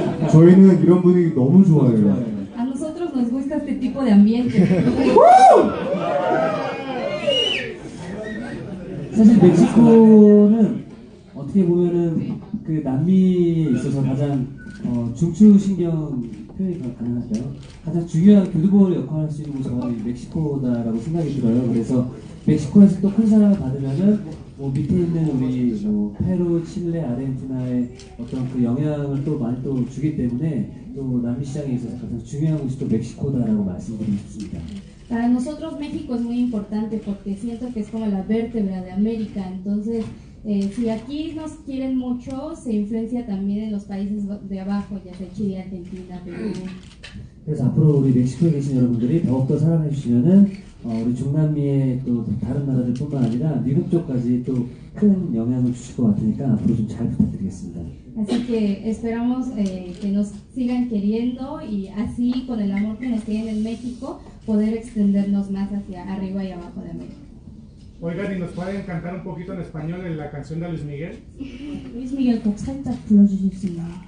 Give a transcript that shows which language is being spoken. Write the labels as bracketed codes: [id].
[ko] 저희는 이런 분위기 너무 좋아해요. [es] A nosotros nos gusta este tipo de ambiente. [ko] 사실 멕시코는 어떻게 보면은 그 남미에 있어서 가장 중추신경 표현이 가능할까요? 가장 중요한 교두보를 역할할 수 있는 곳이 멕시코다라고 생각이 들어요. 그래서 멕시코에서 또 큰 사랑을 받으면은 뭐 밑에 있는 우리 뭐 페루, 칠레, 아르헨티나의 어떤 그 영향을 또 많이 또 주기 때문에 또 남미 시장에 있어서 가장 중요한 곳이 또 멕시코다라고 말씀드리고 싶습니다. [es] Para nosotros México es muy importante porque siento que es como la vértebra de América. Entonces, si aquí nos quieren mucho, se influencia también en los países de abajo, ya sea Chile, Argentina, Perú. [ko] 그래서 앞으로 우리 멕시코에 계신 여러분들이 더욱더 사랑해 주시면은 우리 중남미의 또 다른 나라들뿐만 아니라 미국 쪽까지 또 큰 영향을 주실 것 같으니까 앞으로 좀 잘 부탁드리겠습니다. [es] Así que esperamos que nos sigan queriendo y así con el amor que nos tienen en México poder extendernos más hacia arriba y abajo de México. Oigan, ¿y nos pueden cantar un poquito en español en la canción de Luis Miguel? Luis Miguel, ¿cómo se está produciendo?